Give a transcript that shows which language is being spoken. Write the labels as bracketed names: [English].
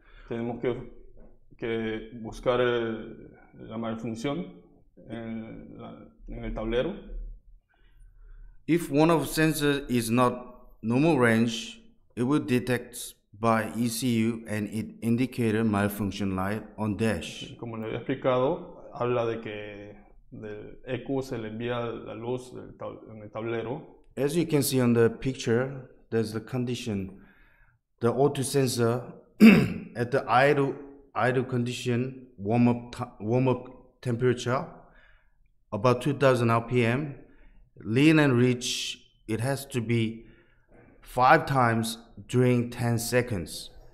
[Spanish] Tenemos que buscar la malfunción en el tablero. [English] If one of the sensors is not normal range, it will detect by ECU and it indicator malfunction light on dash. [Spanish] Como le había explicado, habla de que del ECU se le envía la luz en el tablero. [English] As you can see on the picture, there's the condition. The O2 sensor at the idle condition, warm up temperature, about 2000 RPM, lean and reach, it has to be 5 times during 10 seconds.